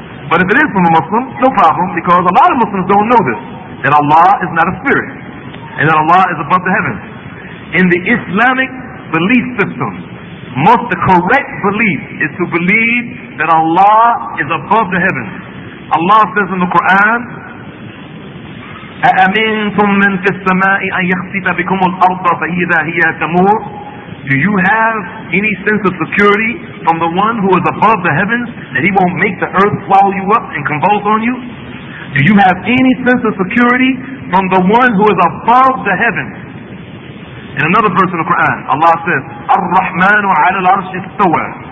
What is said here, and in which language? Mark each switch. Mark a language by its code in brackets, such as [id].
[en] But if it is from a Muslim, no problem, because a lot of Muslims don't know this, that Allah is not a spirit, and that Allah is above the heavens. In the Islamic belief system, most the correct belief is to believe that Allah is above the heavens. Allah says in the Quran, [ar] أَأَمِنْتُمْ مَنْ فِي السَّمَاءِ أَنْ يَخْسِفَ بِكُمُ الْأَرْضَ فَإِذَا هِيَ تَمُورُ. [en] Do you have any sense of security from the one who is above the heavens that he won't make the earth swallow you up and convulse on you? Do you have any sense of security from the one who is above the heavens? In another verse in the Quran, Allah says, [ar] الرحمن على العرش استوى.